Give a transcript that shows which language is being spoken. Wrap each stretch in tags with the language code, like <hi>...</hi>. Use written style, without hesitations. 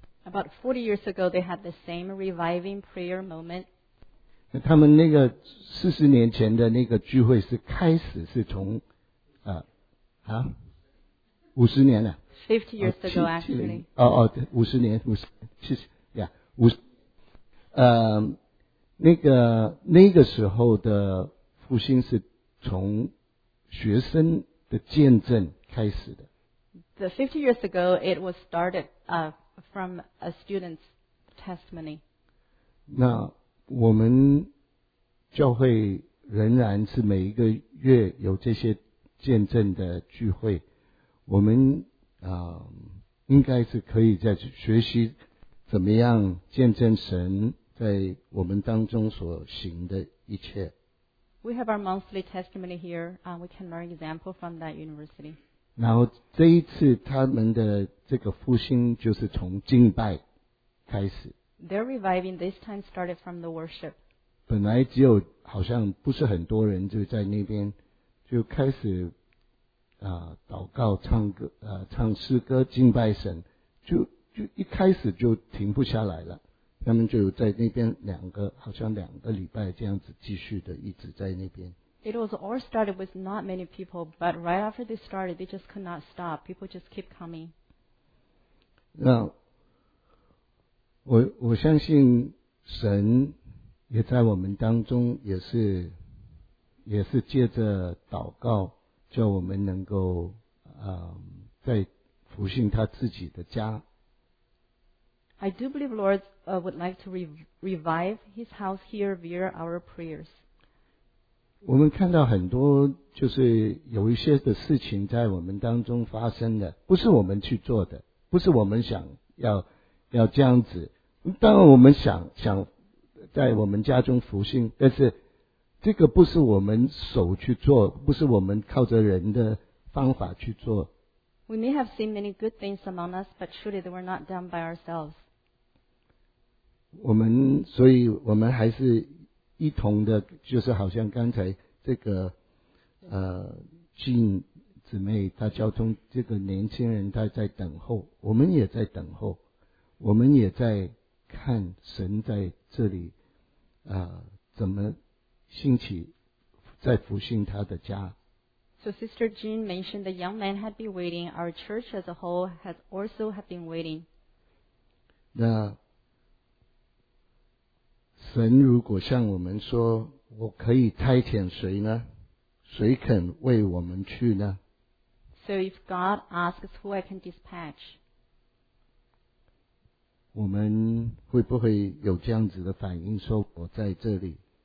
<en>About 40 years ago they had the same reviving prayer moment</en> <zh>他们那个40年前的那个聚会是开始是从五十年了</zh> <en>50 years ago actually</en> <zh>哦哦五十年五十谢谢呀五那个时候的复兴是从学生的见证开始的</zh> <en>the 50 years ago it was started from a student's testimony</en> <zh>那我们教会仍然是每一个月有这些见证的聚会我们应该是可以在学习怎么样见证神在我们当中所行的一切。</zh> <en>We have our monthly testimony here. We can learn example from that university.</en> <zh>然后这一次他们的这个复兴就是从敬拜开始。</zh> <en>Their reviving this time started from the worship.</en> <zh>本来只有好像不是很多人就在那边就开始祷告唱歌唱诗歌敬拜神就一开始就停不下来了他们就在那边好像两个礼拜这样子继续的一直在那边</zh> <en>It was all started with not many people but right after they started they just could not stop people just keep coming</en> <zh>那我相信神也在我们当中也是借着祷告叫我们能够在复兴他自己的家。</zh> <en>I do believe Lord would like to revive his house here via our prayers.</en> <zh>我们看到很多就是有一些的事情在我们当中发生的不是我们去做的不是我们想要这样子。当然我们想在我们家中复兴但是这个不是我们手去做不是我们靠着人的方法去做</zh> <en>We may have seen many good things among us but truly they were not done by ourselves</en> <zh>所以我们还是一同的就是好像刚才这个Jean 姊妹她交通这个年轻人她在等候我们也在等候我们也在看神在这里怎么兴起在复兴他的家</zh> <en>So Sister Jean mentioned the young man had been waiting Our church as a whole has also have been waiting</en> <zh>那神如果向我们说我可以差遣谁呢谁肯为我们去呢</zh> <en>So if God asks who I can dispatch</en> <zh>我们会不会有这样子的反应说我在这里</zh>